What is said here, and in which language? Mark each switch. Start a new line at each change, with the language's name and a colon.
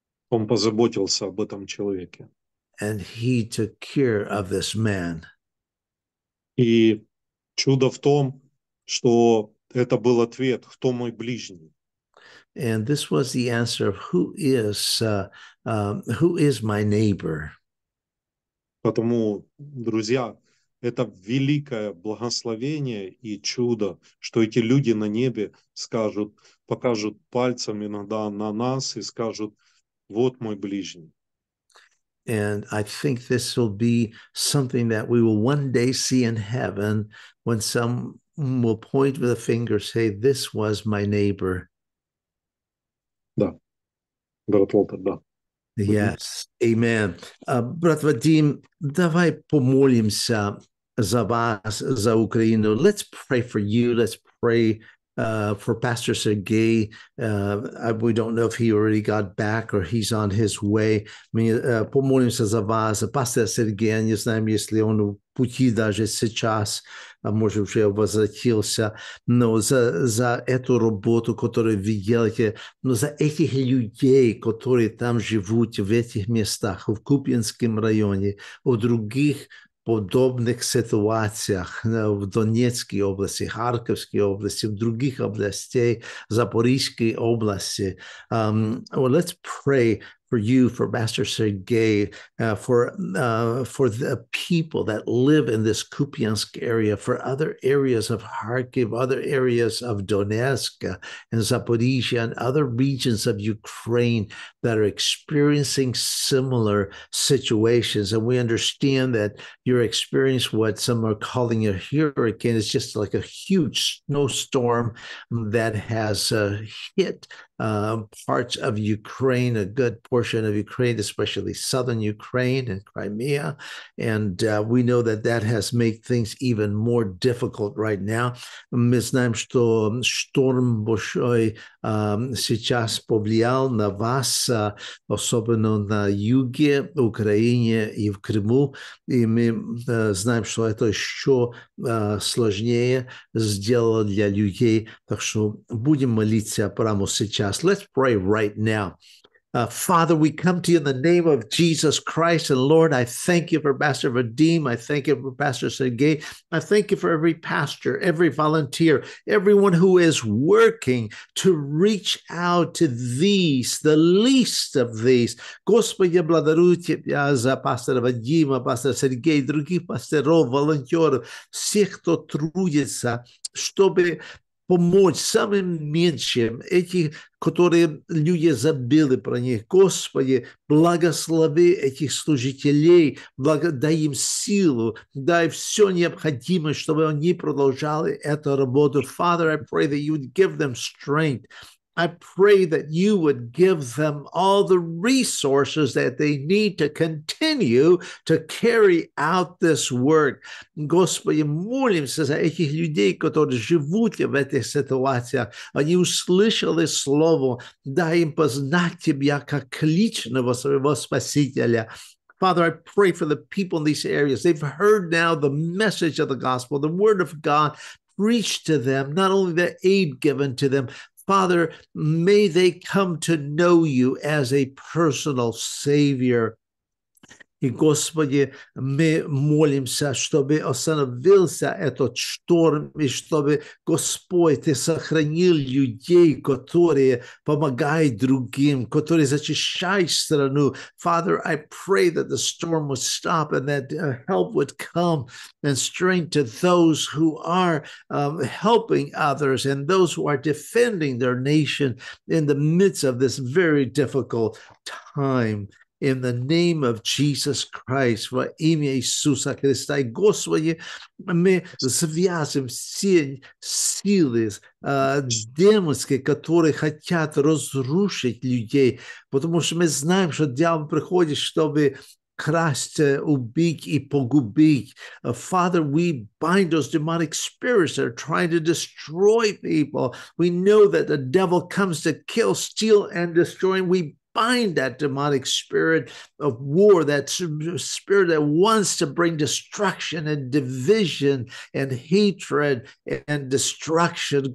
Russian: Он позаботился об этом человеке.
English: And he took care of this man.
Russian: И чудо в том, что это был ответ, кто мой ближний.
English: And this was the answer of who is my neighbor.
Russian: Потому, друзья, это великое благословение и чудо, что эти люди на небе скажут, покажут пальцем иногда на нас и скажут: вот мой ближний.
English: And I think this will be something that we will one day see in heaven when some will point with a finger, say, this was my neighbor.
Russian: Да. Брат Волтер, да.
English: Yes. Amen.
Russian: Брат Вадим, давай помолимся за вас, за Украину.
English: Let's pray for you. Let's pray for Pastor Sergei. We don't know if he already got back or he's on his way.
Russian: Помолимся за вас. Пастор Сергей, не знаем, если он в пути даже сейчас, а может, уже возвратился. Но за эту работу, которую вы делаете, но за этих людей, которые там живут, в этих местах, в Купинском районе, в других подобных ситуациях в Донецкой области, Харьковской области, в других областях, Запорожской области.
English: Well, let's pray for you, for Pastor Sergei, for the people that live in this Kupiansk area, for other areas of Kharkiv, other areas of Donetsk and Zaporizhia and other regions of Ukraine that are experiencing similar situations. And we understand that your experience, what some are calling a hurricane, is just like a huge snowstorm that has hit parts of Ukraine, a good portion of Ukraine, especially southern Ukraine and Crimea. And we know that that has made things even more difficult right now.
Russian: Мы знаем, что шторм большой сейчас повлиял на вас, особенно на юге Украины и в Крыму. И мы знаем, что это еще сложнее сделало для людей. Так что будем молиться прямо сейчас.
English: Let's pray right now. Father, we come to you in the name of Jesus Christ. And Lord, I thank you for Pastor Vadim. I thank you for Pastor Sergei. I thank you for every pastor, every volunteer, everyone who is working to reach out to these, the least of these.
Russian: Господи, я благодарю тебя за пастора Вадима, пастора Сергея, других пасторов, волонтеров, всех, кто трудится, чтобы помочь самым меньшим, эти, которые люди забыли про них. Господи, благослови этих служителей, дай им силу, дай все необходимое, чтобы они продолжали эту работу.
English: Father, I pray that you would give them strength. I pray that you would give them all the resources that they need to continue to carry out this work.
Russian: Господи, молимся за этих людей, которые живут в этой ситуации. Они услышали слово, дай им познать тебя как личного своего спасителя.
English: Father, I pray for the people in these areas. They've heard now the message of the gospel, the word of God preached to them, not only the aid given to them. Father, may they come to know you as a personal Savior.
Russian: И, Господи, мы молимся, чтобы остановился этот шторм, и чтобы, Господь, Ты сохранил людей, которые помогают другим, которые защищают страну.
English: Father, I pray that the storm would stop and that help would come and strength to those who are helping others and those who are defending their nation in the midst of this very difficult time. In the name of Jesus Christ,
Russian: во имя Иисуса Христа, и Господи, мы связываем все силы демонские, которые хотят разрушить людей, потому что мы знаем, что дьявол приходит, чтобы красть, убить и погубить.
English: Father, we bind those demonic spirits that are trying to destroy people. We know that the devil comes to kill, steal, and destroy. We bind that demonic spirit of war, that spirit that wants to bring destruction and division and hatred and destruction.